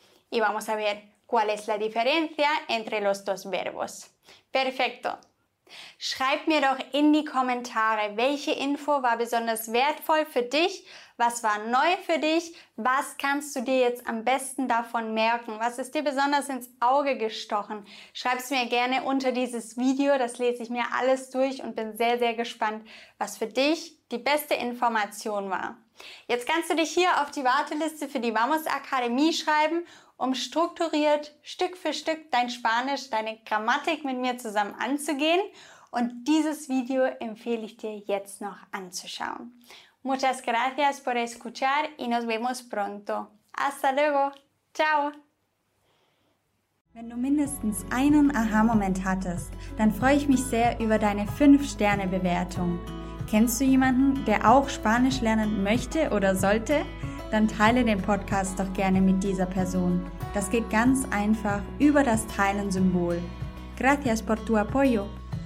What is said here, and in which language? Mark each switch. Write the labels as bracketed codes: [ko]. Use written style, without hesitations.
[es] Y vamos a ver cuál es la diferencia entre los dos verbos. Perfecto. [de] Schreib mir doch in die Kommentare, welche Info war besonders wertvoll für dich, was war neu für dich, was kannst du dir jetzt am besten davon merken, was ist dir besonders ins Auge gestochen. Schreib es mir gerne unter dieses Video, das lese ich mir alles durch und bin sehr, sehr gespannt, was für dich die beste Information war. Jetzt kannst du dich hier auf die Warteliste für die Vamos Akademie schreiben, um strukturiert Stück für Stück dein Spanisch, deine Grammatik mit mir zusammen anzugehen. Und dieses Video empfehle ich dir jetzt noch anzuschauen. [es] Muchas gracias por escuchar y nos vemos pronto. Hasta luego. Ciao. [de] Wenn du mindestens einen Aha-Moment hattest, dann freue ich mich sehr über deine 5-Sterne-Bewertung. Kennst du jemanden, der auch Spanisch lernen möchte oder sollte? Dann teile den Podcast doch gerne mit dieser Person. Das geht ganz einfach über das Teilen-Symbol. [es] Gracias por tu apoyo.